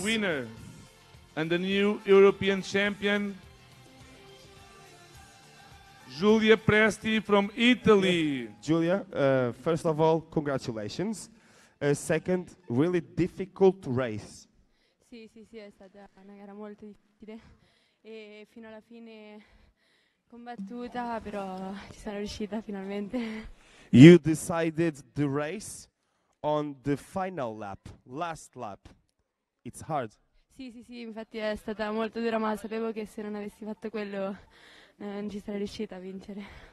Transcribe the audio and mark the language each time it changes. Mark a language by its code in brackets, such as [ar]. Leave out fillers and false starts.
[en] Winner and the new European champion, Julia Presti from Italy. Julia, first of all, congratulations. A second, really difficult race. [it] Sì, sì, sì, è stata una gara molto difficile e fino alla fine combattuta, però ci sono riuscita finalmente. [en] You decided the race on the final lap, last lap. It's hard. [it] Sì, sì, sì, infatti è stata molto dura, ma sapevo che se non avessi fatto quello non ci sarei riuscita a vincere.